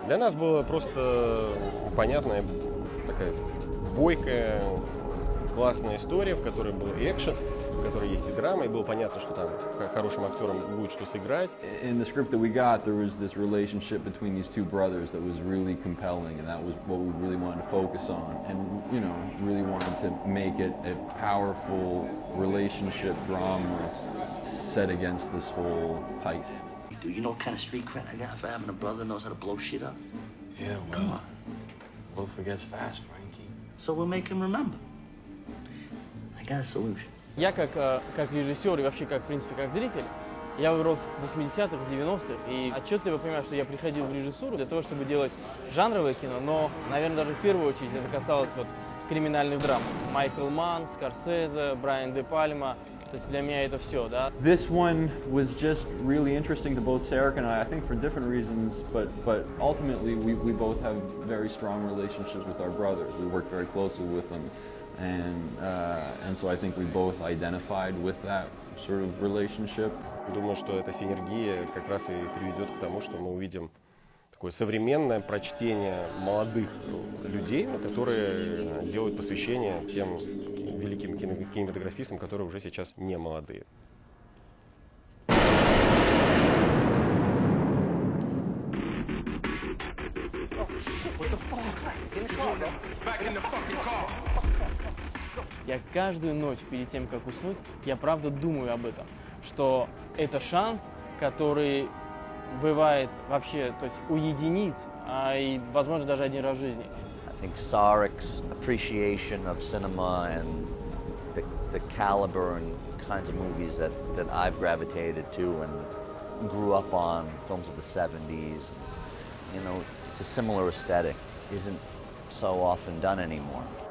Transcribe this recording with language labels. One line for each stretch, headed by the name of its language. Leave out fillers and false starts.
Russian: Для нас было просто понятная такая бойкая, классная история, в которой был экшен, в которой есть и драма, и было понятно, что там хорошим актерам будет что сыграть.
English: In the script that we got, there was this relationship between these two brothers that was really compelling, and that was what we really wanted to focus on, and you know, really wanted to make it a powerful relationship drama set against this whole heist. Do you know what kind of street cred I got for having a brother who knows how to blow shit up? Yeah, well, Wolf forgets fast, Frankie. So we'll make him remember. I got a solution.
Russian: Я как режиссер и вообще как, в принципе, как зритель, я вырос в 80-х, 90-х, и отчетливо понимаю, что я приходил в режиссуру для того, чтобы делать жанровое кино, но, наверное, даже в первую очередь это касалось вот криминальных драм. Майкл Манн, Скорсезе, Брайан Де Пальма. То есть для меня это все, да?
English: This one was just really interesting to both Sarek and I think for different reasons, but ultimately we both have very strong relationships with our brothers. We work very closely with them. And so I think we both identified with that sort of relationship.
Russian: Думаю, что эта синергия как раз и приведет к тому, что мы увидим такое современное прочтение молодых людей, которые делают посвящение тем великим кинематографистам, которые уже сейчас не молодые. Я каждую ночь перед тем, как уснуть, я правда думаю об этом, что это шанс, который бывает вообще, то есть у единиц, а и возможно даже один раз в жизни.
English: I think Sarek's appreciation of cinema and the caliber and kinds of movies that I've gravitated to and grew up on, films of the 70s, you know, it's a similar aesthetic, isn't so often done anymore.